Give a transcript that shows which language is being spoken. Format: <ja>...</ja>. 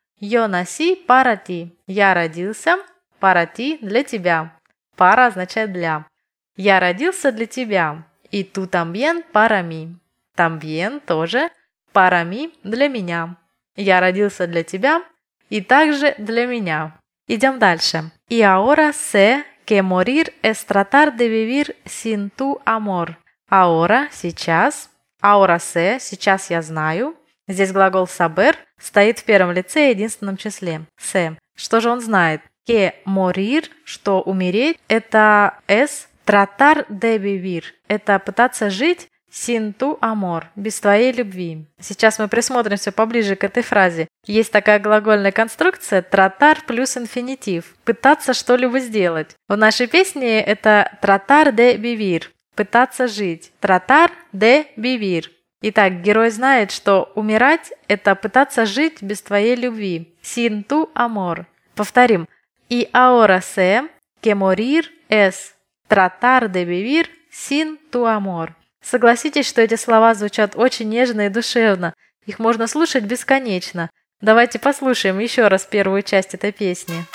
<es>Yo nací para ti.</es> <ru>Я родился.</ru> <es>Para ti,</es> <ru>для тебя. Para означает для. Я родился для тебя.</ru> <es>Y tú también para mí.</es> <ru>También тоже.</ru> <es>Para mí,</es> <ru>для меня. Я родился для тебя и также для меня. Идем дальше.</ru> <es>Y ahora sé que morir es tratar de vivir sin tu amor.</es> <ru>Ahora – сейчас.</ru> <es>Ahora sé</es> <ru>– сейчас я знаю. Здесь глагол saber стоит в первом лице и единственном числе. Sé. Что же он знает?</ru> <es>Que morir –</es> <ru>что умереть – это</ru> <es>es tratar de vivir.</es> <ru>Это пытаться жить.</ru> <es>Sin tu amor</es> <ru>– без твоей любви. Сейчас мы присмотримся поближе к этой фразе. Есть такая глагольная конструкция «tratar» плюс инфинитив – пытаться что-либо сделать. В нашей песне это</ru> <es>«tratar de vivir»</es> <ru>– пытаться жить.</ru> <es>«Tratar de vivir».</es> <ru>Итак, герой знает, что умирать – это пытаться жить без твоей любви.</ru> <es>Sin tu amor.</es> <ru>Повторим.</ru> <es>«Y ahora sé que morir es tratar de vivir sin tu amor».</es> <ru>Согласитесь, что эти слова звучат очень нежно и душевно. Их можно слушать бесконечно. Давайте послушаем еще раз первую часть этой песни.</ru>